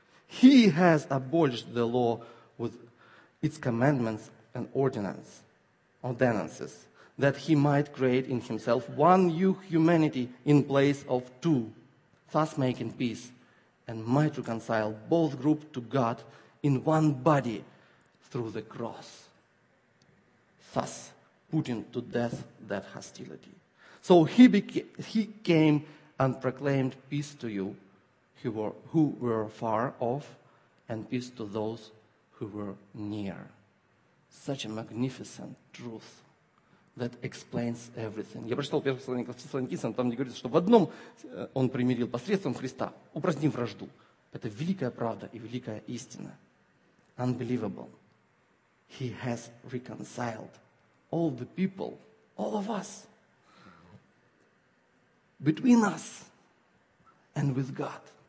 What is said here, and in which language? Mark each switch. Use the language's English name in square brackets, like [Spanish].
[English] He has abolished the law with its commandments and ordinances, that he might create in himself one new humanity in place of two, thus making peace, and might reconcile both groups to God in one body through the cross, thus putting to death that hostility. So he came and proclaimed peace to you who were far off and peace to those who were near. Such a magnificent truth that explains everything. [Russian] Я прочитал первое послание к Фессалоникийцам, там где говорится, что в одном он примирил посредством Христа, упразднив вражду. Это великая правда и великая истина. [English] Unbelievable. He has reconciled all the people, all of us, between us and with God.